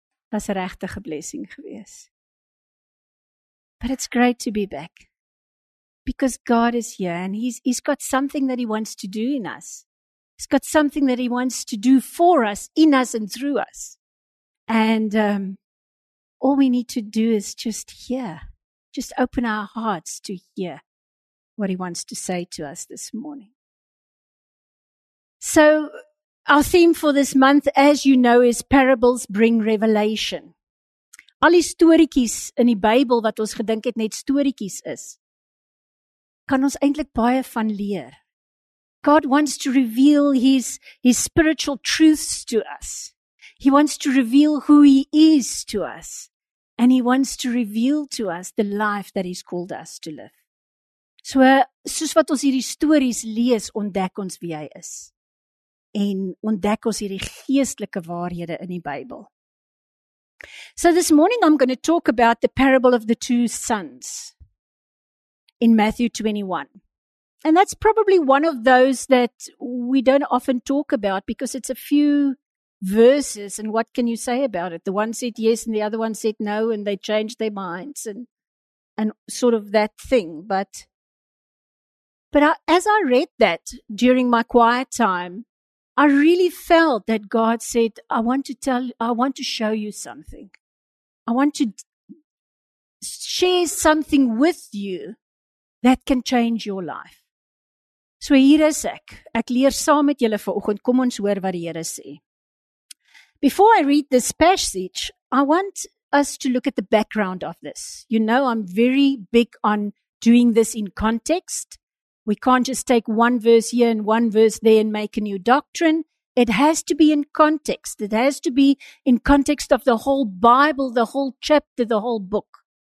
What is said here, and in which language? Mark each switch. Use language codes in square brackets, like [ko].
[af] Was 'n regte blessing gewees. [en] But it's great to be back. Because God is here and he's got something that he wants to do in us. He's got something that he wants to do for us, in us and through us. And all we need to do is just hear. Just open our hearts to hear what he wants to say to us this morning. So our theme for this month, as you know, is parables bring revelation. [af] Al die storiekies in die Bybel wat ons gedink het net storiekies is, kan ons eintlik baie van leer. [en] God wants to reveal his spiritual truths to us. He wants to reveal who he is to us. And he wants to reveal to us the life that he's called us to live. [af] So, soos wat ons hierdie stories lees, ontdek ons wie hy is. En ontdek ons hierdie geestelike waarhede in die Bybel. [en] So this morning I'm going to talk about the parable of the two sons in Matthew 21. And that's probably one of those that we don't often talk about because it's a few verses, and what can you say about it? The one said yes and the other one said no and they changed their minds and sort of that thing. But as I read that during my quiet time, I really felt that God said, I want to show you something. I want to share something with you that can change your life. [af] So hier is ek. Ek leer saam met julle vanoggend. Kom ons hoor wat die Here sê. [en] Before I read this passage, I want us to look at the background of this. You know, I'm very big on doing this in context. We can't just take one verse here and one verse there and make a new doctrine. It has to be in context. It has to be in context of the whole Bible, the whole chapter, the whole book.